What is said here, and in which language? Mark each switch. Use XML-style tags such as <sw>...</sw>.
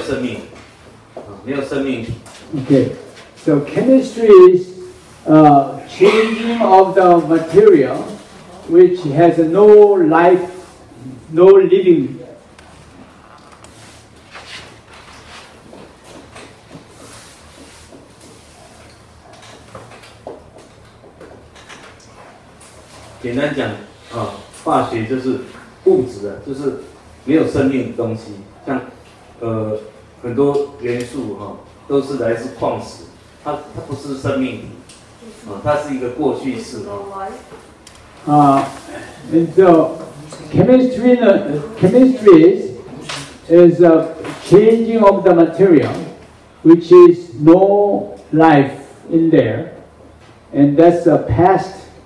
<zh>所谓的化学就是物质的变化，它是属于没有生命，没有生命。Okay,</zh> <en>so chemistry is changing of the material which has no life, no living.</en> <zh>简单讲，化学就是物质的，就是没有生命的东西，像很多元素都是来自矿石，它不是生命，它是一个过去式，它是一个过去式。</zh> <en>And so chemistry is a changing of the material, which is no life in there, and that's a past.</en>